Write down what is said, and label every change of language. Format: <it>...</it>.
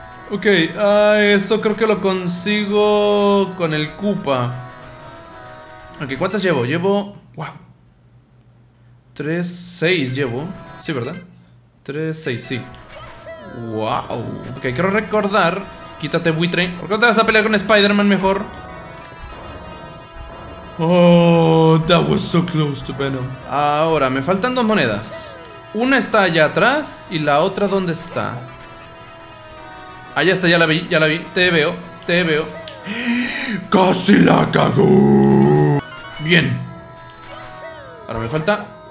<es>Ok, eso creo que lo consigo con el Koopa. Ok, ¿cuántas llevo? Llevo... ¡Wow! 3, 6 llevo. Sí, ¿verdad? 3, 6, sí. ¡Wow! Ok, quiero recordar. Quítate, buitre. ¿Por qué no te vas a pelear con Spider-Man mejor?</es> <en>Oh, that was so close to Venom.</en> <es>Ahora, me faltan dos monedas. Una está allá atrás. ¿Y la otra dónde está? Allá está, ya la vi, ya la vi. Te veo, te veo. ¡Casi la cagó! Bien. Ahora me falta.</es>